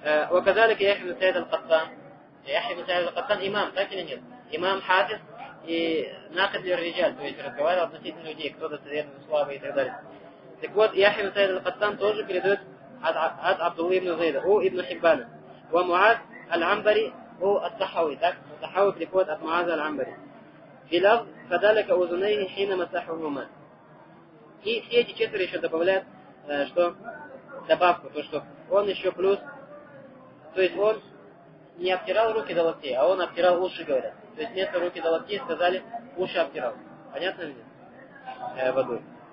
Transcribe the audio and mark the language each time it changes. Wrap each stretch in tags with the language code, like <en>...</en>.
<ar>Ва казалика</ar> <ru>Яхья ибн Саид аль-Каттан. Яхья ибн Саид аль-Каттан имам, так или нет? Имам Хафиз и Накид ар-Риджаль, то есть разговаривал относительно людей, кто достоверный, слабый и так далее. Так вот, Яхья ибн Саид аль-Каттан тоже передает от Абдулла ибн Зейда у ибн Хиббана. Ва Муаз аль-Амбари</ru> <ar>هو الضحاوي، الضحاوي في رواية أبو معاذ العنبري في لفظ فذلك أذنيه حين مسحهما.</ar> <ru>И все эти четверо еще добавляют, что добавку, то что он еще плюс, то есть он не обтирал руки до локтей, а он обтирал уши, говорят. То есть вместо руки до локтей сказали, уши обтирал. Понятно ли? Водой.</ru>